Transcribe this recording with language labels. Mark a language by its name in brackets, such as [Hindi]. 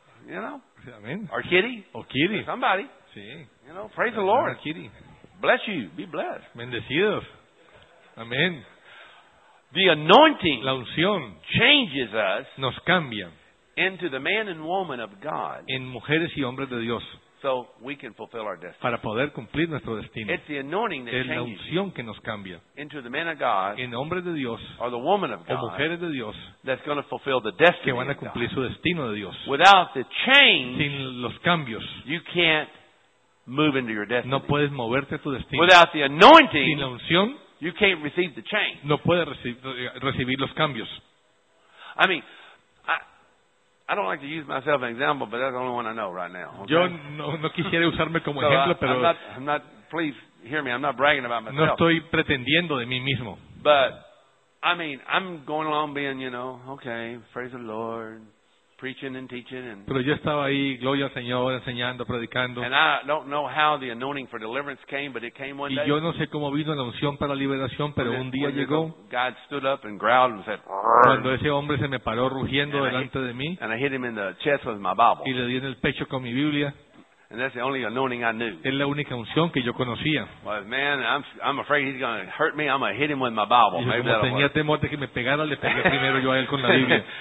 [English] You know. Amen. Or Kitty. [Spanish] O Kitty. [English] Or somebody. [Spanish] Sí. [English] You know, praise the Lord. Kitty. Bless you. Be blessed. [Spanish] Bendecidos. Amen. [English] The anointing, [Spanish] la unción, [English] changes us, [Spanish] nos cambia, [English] into the man and woman of God, [Spanish] en mujeres y hombres de Dios, [English] so we can fulfill our destiny, [Spanish] para poder cumplir nuestro destino. [English] It's the anointing that [Spanish] es [English] changes, [Spanish] la unción que nos cambia, [English] into the man of God, [Spanish] en hombres de Dios, [English] or the woman of God, [Spanish] o mujeres de Dios, [English] that's going to fulfill the destiny, [Spanish] que van a cumplir [English] of God. [Spanish] Su destino de Dios. [English] Without the change, [Spanish] sin los cambios, [English] you can't move into your destiny. [Spanish] No puedes moverte a tu destino. [English] Without the anointing, [Spanish] sin la unción, [English] you can't receive the change. [Spanish] No puede recibir los cambios. [English] I mean, I don't like to use myself as an example, but that's the only one I know right now. Okay? [Spanish] Yo no quisiera usarme como ejemplo, pero [English] I'm not. Please hear me. I'm not bragging about myself. [Spanish] No estoy pretendiendo de mí mismo. [English] But I mean, I'm going along being, you know, okay, praise the Lord, preaching and teaching. And, [Spanish] pero yo estaba ahí, gloria al Señor, enseñando, predicando. [English] And I don't know how the anointing for deliverance came, but it came one day. [Spanish] Y yo no sé cómo vino la unción para la liberación, pero un día llegó. [English] God stood up and growled and said, [Spanish] cuando ese hombre se me paró rugiendo delante de mí. [English] And I hit him in the chest with my Bible. [Spanish] Y le di en el pecho con mi Biblia. [English] And that's the only anointing I knew. [Spanish] Es la única unción que yo conocía. [English] Well, man, I'm afraid he's going to hurt me. I'm going to hit him with my Bible. [Spanish] Y como tenía temor de que me pegara, le pegué primero yo a él con la Biblia.